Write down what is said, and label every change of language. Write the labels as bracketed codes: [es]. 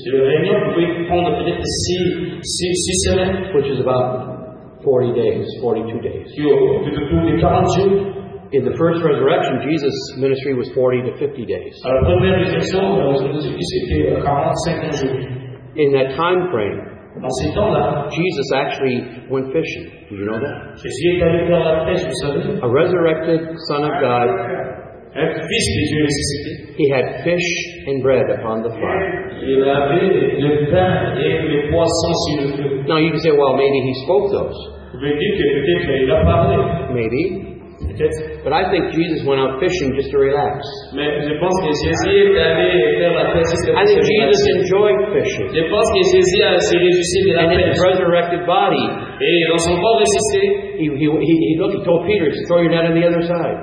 [fr] Le réunion pouvait prendre peut-être six semaines. [en] Which is about 40 days, 42 days. In the first resurrection, Jesus' ministry was 40 to 50 days. [fr] À la première résurrection, c'était 45 jours. [en] In that time frame, [fr] dans ces temps-là, [en] Jesus actually went fishing. Do you know that? [fr] Jésus est allé faire la pêche, vous savez? [en] A resurrected Son of God. [fr] Un fils de Dieu ressuscité. [en] He had fish and bread upon the fire. [fr] Il avait le pain et le poisson sur le feu. [en] Now you can say, well, maybe he spoke those. [fr] Vous pouvez dire que peut-être il a parlé. [en] Maybe. But I think Jesus went out fishing just to relax. I think Jesus enjoyed fishing. And in his resurrected body, he told Peter, he said, throw your net on the other side.